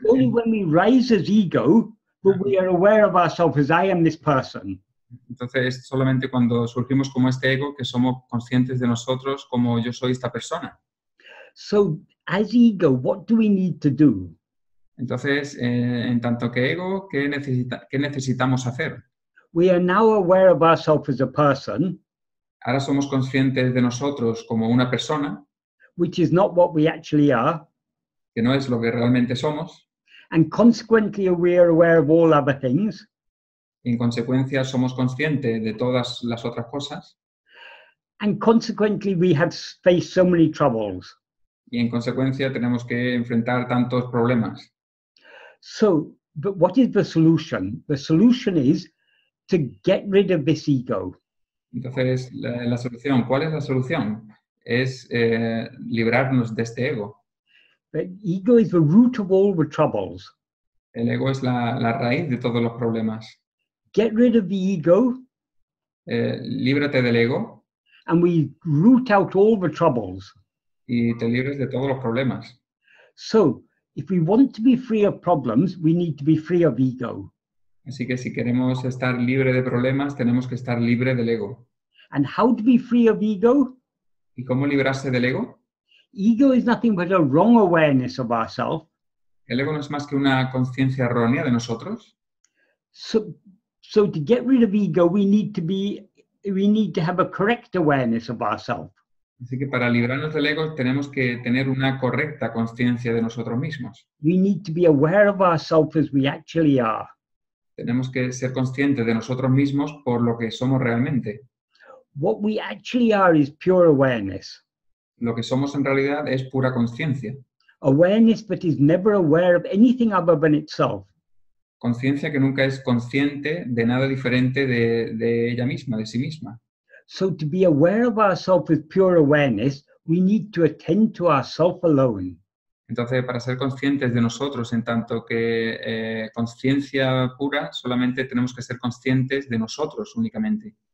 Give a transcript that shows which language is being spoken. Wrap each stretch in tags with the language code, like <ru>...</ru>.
<en>Only when we rise as ego that we are aware of ourselves as I am this person.</en> <es>Entonces, solamente cuando surgimos como este ego que somos conscientes de nosotros como yo soy esta persona.</es> <en>So, as ego, what do we need to do?</en> <es>Entonces, en tanto que ego, ¿qué necesitamos hacer?</es> <en>We are now aware of ourselves as a person.</en> <es>Ahora somos conscientes de nosotros como una persona.</es> <en>Which is not what we actually are.</en> <es>Que no es lo que realmente somos.</es> <en>And consequently, we are aware of all other things.</en> <es>En consecuencia, somos conscientes de todas las otras cosas.</es> <en>And consequently, we have faced so many troubles.</en> <es>Y en consecuencia, tenemos que enfrentar tantos problemas.</es> <en>So, but what is the solution? The solution is to get rid of this ego.</en> <es>Entonces, la solución, ¿cuál es la solución? Es librarnos de este ego.</es> <en>The ego is the root of all the troubles.</en> <es>El ego es la raíz de todos los problemas.</es> <en>Get rid of the ego.</en> <es>Líbrate del ego.</es> <en>And we root out all the troubles.</en> <es>Y te libres de todos los problemas.</es> <en>So, if we want to be free of problems, we need to be free of ego.</en> <es>Así que si queremos estar libre de problemas, tenemos que estar libre del ego.</es> <en>And how to be free of ego?</en> <es>¿Y cómo librarse del ego?</es> <en>Ego is nothing but a wrong awareness of ourselves.</en> <es>El ego no es más que una conciencia errónea de nosotros.</es> <en>So to get rid of ego, we need to have a correct awareness of ourselves.</en> <es>Así que para librarnos del ego tenemos que tener una correcta conciencia de nosotros mismos.</es> <en>We need to be aware of ourselves as we actually are.</en> <es>Tenemos que ser conscientes de nosotros mismos por lo que somos realmente.</es> <en>What we actually are is pure awareness.</en> <es>Lo que somos en realidad es pura conciencia.</es> <en>Awareness that is never aware of anything other than itself.</en> <es>Conciencia que nunca es consciente de nada diferente de ella misma, de sí misma.</es> <en>So to be aware of ourselves with pure awareness, we need to attend to ourselves alone.</en> <es>Entonces, para ser conscientes de nosotros en tanto que conciencia pura, solamente tenemos que ser conscientes de nosotros únicamente.</es>